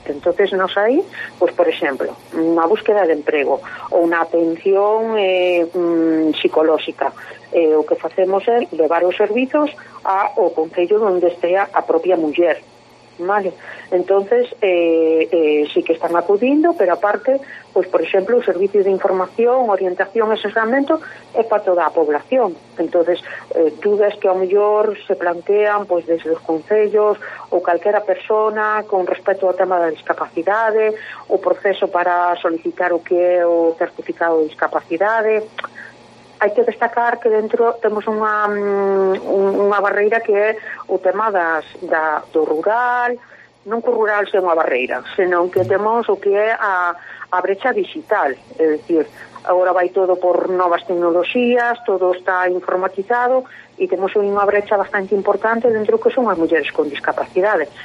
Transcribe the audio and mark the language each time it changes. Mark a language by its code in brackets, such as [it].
[gl] Entonces nos aí, pois, por exemplo, unha búsqueda de emprego ou unha atención psicolóxica, o que facemos é levar os servizos ao concello onde estea a propia muller. [es] Vale, entonces sí que están acudiendo, pero aparte, pues por ejemplo, el servicio de información, orientación, asesoramiento es para toda la población. Entonces, dudas que a lo mejor se plantean pues desde los concellos o cualquiera persona con respecto al tema de discapacidades o proceso para solicitar o qué o certificado de discapacidades. Hay que destacar que [gl] dentro temos unha barreira que é o tema do rural, non que o rural sea unha barreira, senón que temos o que é a brecha digital, é dicir, agora vai todo por novas tecnologías, todo está informatizado e temos unha brecha bastante importante dentro que son as mulleres con discapacidade.